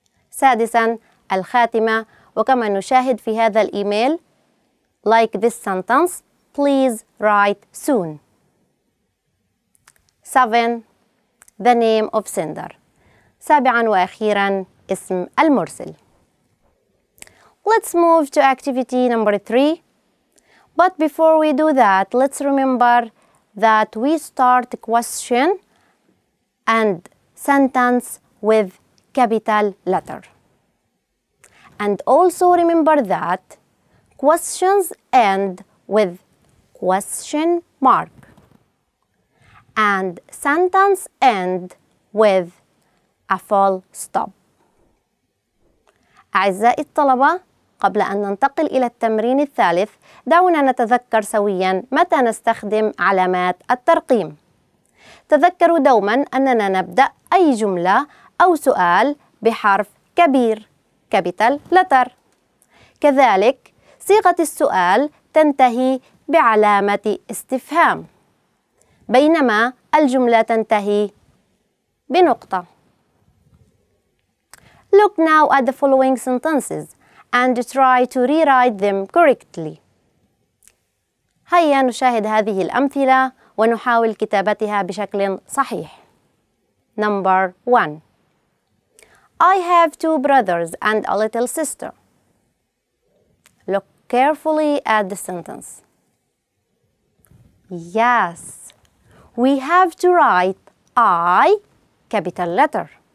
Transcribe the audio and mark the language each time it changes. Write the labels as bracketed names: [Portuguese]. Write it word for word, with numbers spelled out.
[Arabic] سادساً، الخاتمة، وكما نشاهد في هذا الإيميل [English] like this sentence, please write soon. seven. The name of sender. [Arabic] سابعاً وأخيراً، اسم المرسل. [English] Let's move to activity number three. But before we do that, let's remember that we start question and sentence with capital letter. And also remember that questions end with question mark and sentence end with a full stop. [Arabic] أعزائي الطلبة، قبل أن ننتقل إلى التمرين الثالث، دعونا نتذكر سوياً متى نستخدم علامات الترقيم. تذكروا دوماً أننا نبدأ أي جملة أو سؤال بحرف كبير capital letter. كذلك صيغة السؤال تنتهي بعلامة استفهام، بينما الجملة تنتهي بنقطة. [English] Look now at the following sentences and try to rewrite them correctly. [Arabic] هيا نشاهد هذه الأمثلة ونحاول كتابتها بشكل صحيح. [English] Number one. I have two brothers and a little sister. Look carefully at the sentence. Yes, we have to write I capital letter.